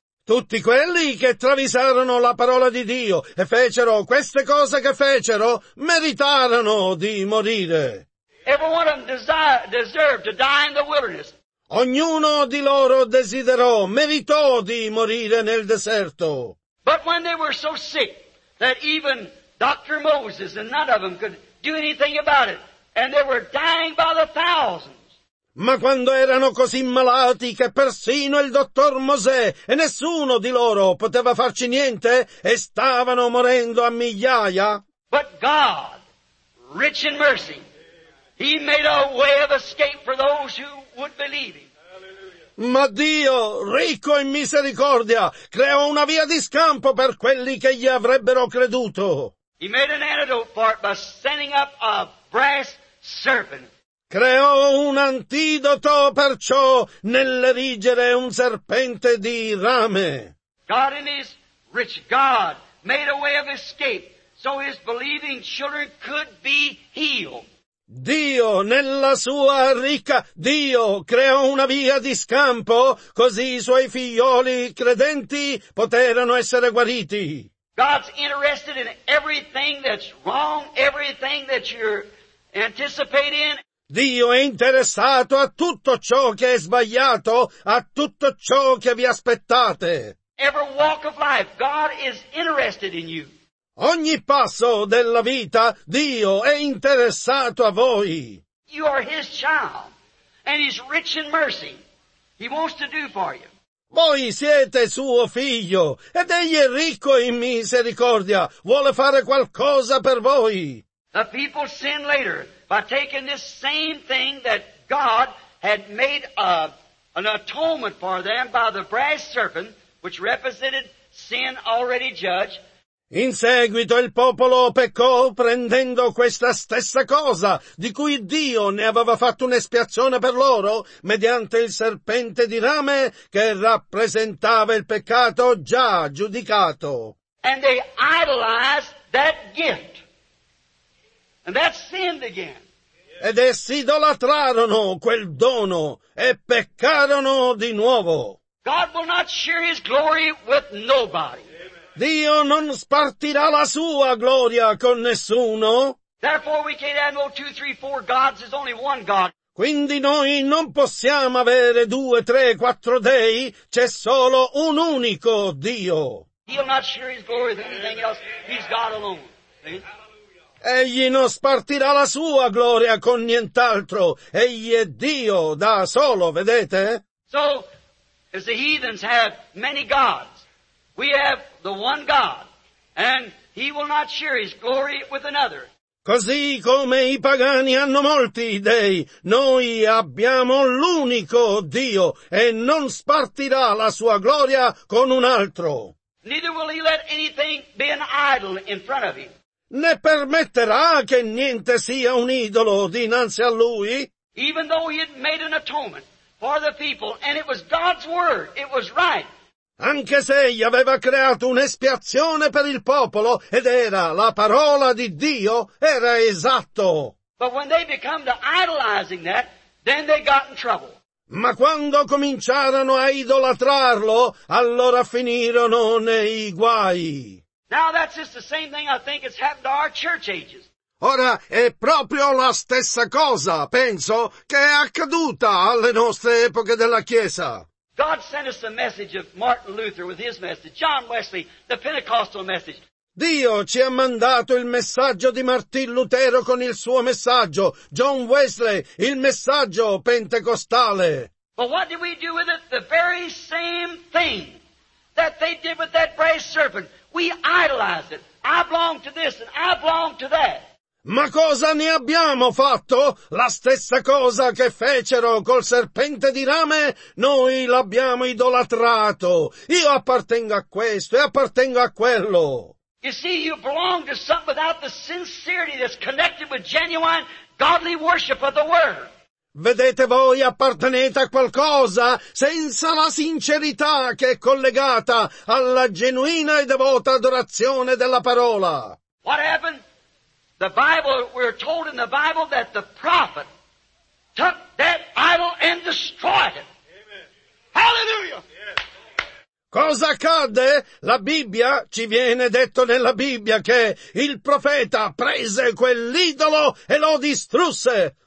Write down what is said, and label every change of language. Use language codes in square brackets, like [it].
[it] Tutti quelli che travisarono la parola di Dio e fecero queste cose che fecero, meritarono di morire. [en] Every one of them deserved to die in the wilderness. [it] Ognuno di loro desiderò, meritò di morire nel deserto. [en] But when they were so sick that even Dr. Moses and none of them could do anything about it, and they were dying by the thousands. [it] Ma quando erano così malati che persino il dottor Mosè e nessuno di loro poteva farci niente, e stavano morendo a migliaia. [en] But God, rich in mercy, he made a way of escape for those who would believe him. [it] Ma Dio, ricco in misericordia, creò una via di scampo per quelli che gli avrebbero creduto. [en] He made an antidote for it by sending up a brass serpent. [it] Creò un antidoto perciò nell'erigere un serpente di rame. [en] God in his rich God made a way of escape so his believing children could be healed. [it] Dio nella sua ricca, Dio creò una via di scampo così i suoi figlioli credenti poterono essere guariti. [en] God's interested in everything that's wrong, everything that you're anticipating. [it] Dio è interessato a tutto ciò che è sbagliato, a tutto ciò che vi aspettate. [en] Every walk of life, God is interested in you. [it] Ogni passo della vita, Dio è interessato a voi. [en] You are his child, and he's rich in mercy. He wants to do for you. [it] Voi siete suo figlio, ed egli è ricco in misericordia. Vuole fare qualcosa per voi. [en] The people sin later by taking this same thing that God had made an atonement for them by the brass serpent, which represented sin already judged. [it] In seguito il popolo peccò prendendo questa stessa cosa, di cui Dio ne aveva fatto un'espiazione per loro, mediante il serpente di rame che rappresentava il peccato già giudicato. [en] And they idolized that gift. And that sinned again. [it] Ed essi idolatrarono quel dono e peccarono di nuovo. [en] God will not share his glory with nobody. [it] Dio non spartirà la sua gloria con nessuno. [en] Therefore we can't have no two, three, four gods, there's only one God. [it] Quindi noi non possiamo avere due, tre, quattro dei, c'è solo un unico Dio. [en] He'll not share his glory with anything else, he's God alone. See? [it] Egli non spartirà la sua gloria con nient'altro. Egli è Dio da solo, vedete? [en] So, as the heathens have many gods, we have the one God, and he will not share his glory with another. [it] Così come i pagani hanno molti dei, noi abbiamo l'unico Dio, e non spartirà la sua gloria con un altro. [en] Neither will he let anything be an idol in front of him. [it] Ne permetterà che niente sia un idolo dinanzi a lui? [en] Even though he had made an atonement for the people, and it was God's word, it was right. [it] Anche se egli aveva creato un'espiazione per il popolo, ed era la parola di Dio, era esatto. [en] But when they become to idolizing that, then they got in trouble. [it] Ma quando cominciarono a idolatrarlo, allora finirono nei guai. [en] Now that's just the same thing I think has happened to our church ages. [it] Ora è proprio la stessa cosa, penso, che è accaduta alle nostre epoche della Chiesa. [en] God sent us the message of Martin Luther with his message, John Wesley, the Pentecostal message. [it] Dio ci ha mandato il messaggio di Martin Lutero con il suo messaggio, John Wesley, il messaggio pentecostale. [en] But what did we do with it? The very same thing that they did with that brass serpent. We idolized it. I belong to this and I belong to that. [it] Ma cosa ne abbiamo fatto? La stessa cosa che fecero col serpente di rame, noi l'abbiamo idolatrato. Io appartengo a questo e appartengo a quello. [en] You see, you belong to something without the sincerity that's connected with genuine godly worship of the Word. [it] Vedete, voi appartenete a qualcosa senza la sincerità che è collegata alla genuina e devota adorazione della parola. [en] What happened? The Bible, we're told in the Bible that the prophet took that idol and destroyed it. Amen. Hallelujah! Yes. [it] Cosa accadde? La Bibbia, ci viene detto nella Bibbia che il profeta prese quell'idolo e lo distrusse.